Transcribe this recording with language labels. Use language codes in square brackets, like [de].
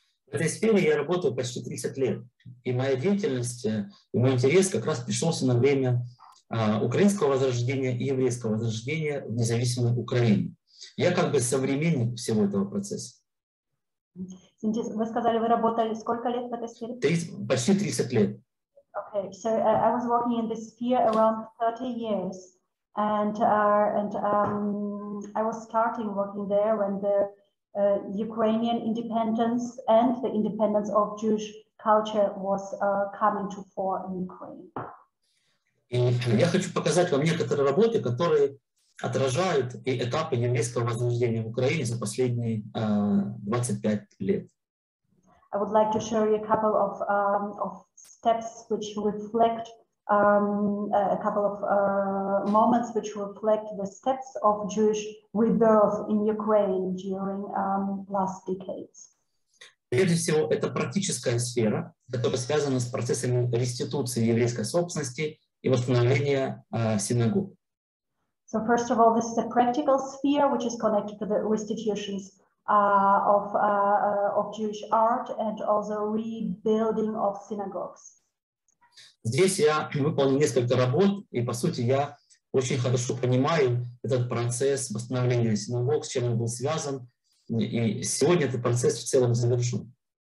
[ru] В этой сфере я работаю почти 30 лет, и моя деятельность и мой интерес как раз пришелся на время украинского возрождения и еврейского возрождения в независимой Украине. Я как бы современник всего этого процесса. Вы сказали, вы работали сколько лет в этой сфере? Почти 30 лет. [en] Okay, so I was working in this sphere around 30 years, and I was starting working there when the Ukrainian independence and the independence of Jewish culture was coming to fore in Ukraine. [ru] И я хочу показать вам некоторые работы, которые отражают и этапы еврейского возрождения в Украине за последние 25 лет. [en] I would like to show you a couple of steps which reflect a couple of moments which reflect the steps of Jewish rebirth in Ukraine during last decades. [ru] Прежде всего, это практическая сфера, которая связана с процессами реституции еврейской собственности и восстановления синагог. [en] So first of all, this is a practical sphere which is connected to the restitutions of Jewish art and also rebuilding of synagogues. [ru] Здесь я выполнил несколько работ, и по сути я очень хорошо понимаю этот процесс восстановления синагог, с чем он был связан, и сегодня этот процесс в целом завершен.